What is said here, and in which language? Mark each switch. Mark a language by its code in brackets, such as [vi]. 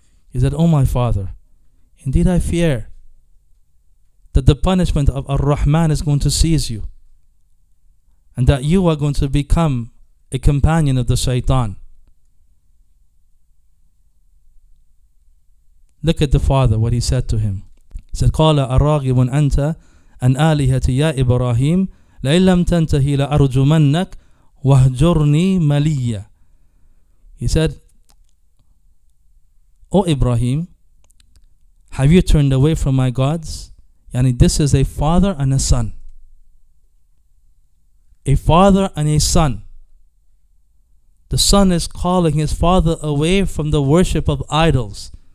[en] He said, Oh my father, indeed I fear that the punishment of Ar-Rahman is going to seize you and that you are going to become a companion of the shaitan. Look at the father, what he said to him. He said, [ar] قَالَ أَرَاغِبٌ أَنْتَ أَنْ آلِهَةِ يَا إِبْرَاهِيمِ لَإِنْ لَمْ تَنْتَهِي لَأَرْجُمَنَّكَ وَهْجُرْنِي مَلِيَّ. [en] He said, O Ibrahim, have you turned away from my gods? Yani, this is a father and a son. A father and a son. The son is calling his father away from the worship of idols.